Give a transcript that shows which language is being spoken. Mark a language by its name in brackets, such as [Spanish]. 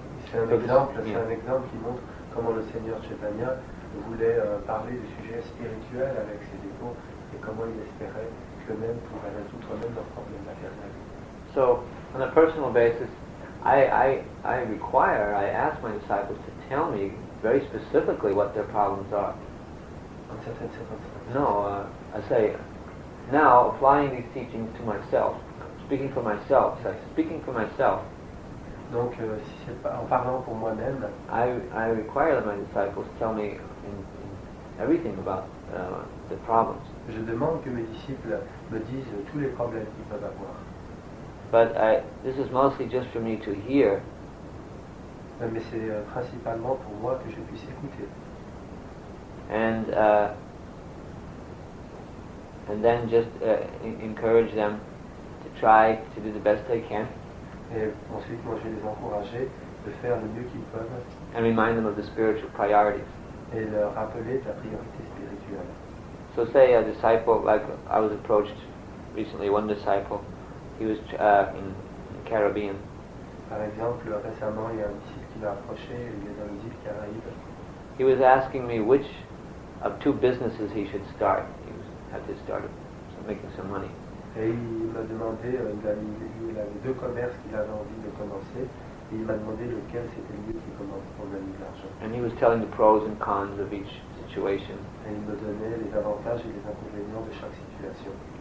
[French] C'est un exemple qui montre comment le Seigneur Chaitanya voulait parler du sujet spirituel avec ses dévots et comment il espérait qu'eux-mêmes pourraient résoudre eux-mêmes leurs problèmes matériels. [English] So, on a personal basis, I ask my disciples to tell me very specifically what their problems are. [French] dans certaines circonstances. [English] No, I say, now applying these teachings to myself, speaking for myself, so speaking for myself. [French] Donc, si c'est pas en parlant pour moi-même. [English] I require that my disciples tell me in everything about the problems. [French] Je demande que mes disciples me disent tous les problèmes qu'ils peuvent avoir. [English] But this is mostly just for me to hear. [French] Mais c'est principalement pour moi que je puisse écouter. [English] And then just encourage them to try to do the best they can. [French] Et ensuite, moi, je vais les encourager de faire le mieux qu'ils peuvent. [English] And remind them of the spiritual priorities. [French] Et leur rappeler de la priorité spirituelle. [English] So say a disciple, like I was approached recently, one disciple, he was in the Caribbean. [French] Par exemple, récemment, il y a un disciple qui m'a approché, il est dans les îles Caraïbes. [English] He was asking me which of two businesses he should start. He was, had to start making some money. [French] Et il m'a demandé, il avait deux commerces qu'il avait envie de commencer, et il m'a demandé lequel c'était le mieux qu'il commence pour gagner de l'argent. [English] And he was telling the pros and cons of each situation. [French] Et il me donnait les avantages et les inconvénients de chaque situation.